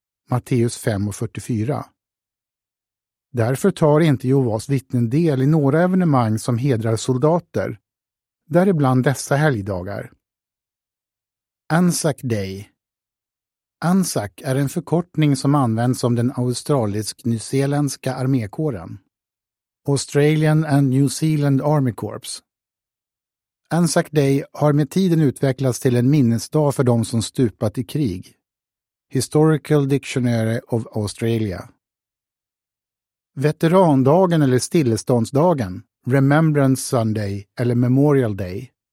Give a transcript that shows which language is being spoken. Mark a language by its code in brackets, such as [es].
[sv] Matteus 5:44. Därför tar inte Jehovas vittnen del i några evenemang som hedrar soldater, däribland dessa helgdagar. Anzac Day. Anzac är en förkortning som används om den australisk-nyzeeländska armékåren. [en] Australian and New Zealand Army Corps. [sv] Anzac Day har med tiden utvecklats till en minnesdag för de som stupat i krig. [en] Historical Dictionary of Australia. [sv] Veterandagen eller stilleståndsdagen, Remembrance Sunday eller Memorial Day.